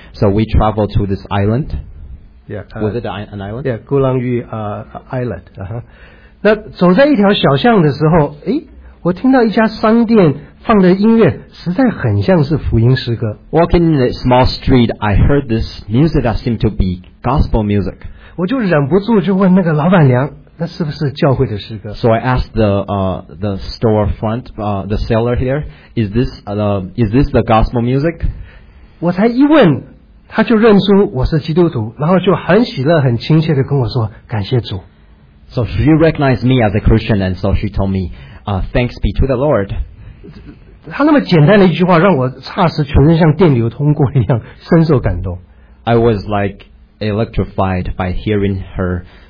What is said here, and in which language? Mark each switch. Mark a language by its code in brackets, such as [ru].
[en] So we traveled to this island. Yeah, was it an island? Yeah, Gulang Yu Island. [zh] 那走在一条小巷的时候，诶，我听到一家商店放的音乐实在很像是福音诗歌。 [en] Walking in a small street, I heard this music that seemed to be gospel music. [zh] 我就忍不住就问那个老板娘，那是不是教会的诗歌？ [en] So I asked the storefront, the seller here, is this the gospel music? [zh] 我才一问，他就认出我是基督徒，然后就很喜乐、很亲切的跟我说：“感谢主。” [en] So she recognized me as a Christian, and so she told me, "Thanks be to the Lord." [zh] 他那么简单的一句话，让我差时全身像电流通过一样，深受感动。 [en] I was like electrified by hearing her.